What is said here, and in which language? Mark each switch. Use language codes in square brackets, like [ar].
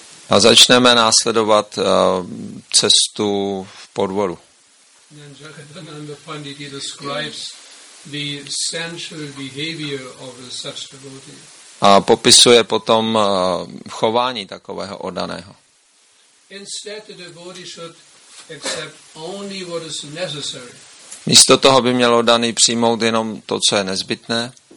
[cs] A začneme následovat cestu v podvodu. [en] Then Jagadananda Pandit describes the sensual behavior of such devotee. [cs] A popisuje potom chování takového oddaného. [en] Instead, the devotee should accept only what is necessary. [cs] Místo toho by měl oddaný přijmout jenom to, co je nezbytné.